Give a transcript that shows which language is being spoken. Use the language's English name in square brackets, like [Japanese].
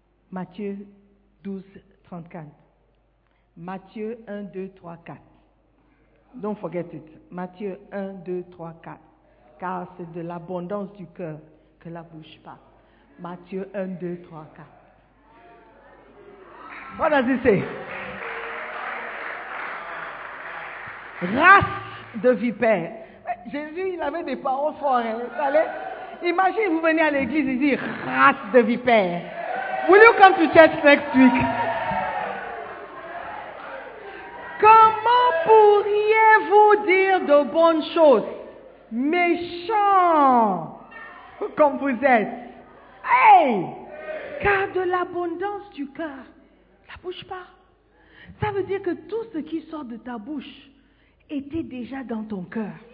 [French] Matthieu 12, 34. Matthieu 1, 2, 3, 4. [English] Don't forget it. [French] Matthieu 1, 2, 3, 4. Car c'est de l'abondance du cœur que la bouche parle. Matthieu 1, 2, 3, 4. [English] What does it say? [French] race de vipères. Jésus, il avait des paroles fortes. Hein. Imagine, vous venez à l'église et dites, race de vipères. [English] Will you come to church next week? [French] Comment pourriez-vous dire de bonnes choses? Méchant comme vous êtes. Hey! Car de l'abondance du cœur, la bouche parle. Ça veut dire que tout ce qui sort de ta bouche était déjà dans ton cœur.